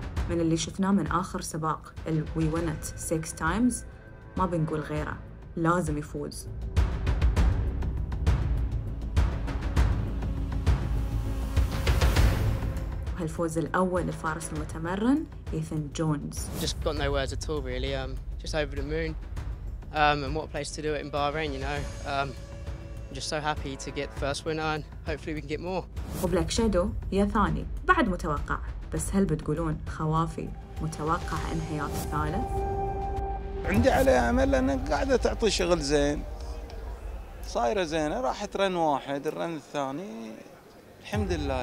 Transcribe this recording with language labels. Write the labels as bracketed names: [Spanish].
[Arabic] من اللي شفناه من آخر سباق الـ We Win It 6 Times. ما بنقول غيره، لازم يفوز. هالفوز الأول لفارس المتمرن إيثان جونز. [English] Just got no words at all really. Just over the moon. And what a place to do it in Bahrain, you know. Just so happy to get the first win on. Hopefully we can get more. [Arabic] وبلاك شادو يا ثاني بعد متوقع. بس هل بتقولون خوافي متوقع انهيار الثالث؟ عندي عليها امل لانها قاعده تعطي شغل زين، صايره زينه، راحت رن واحد، الرن الثاني الحمد لله.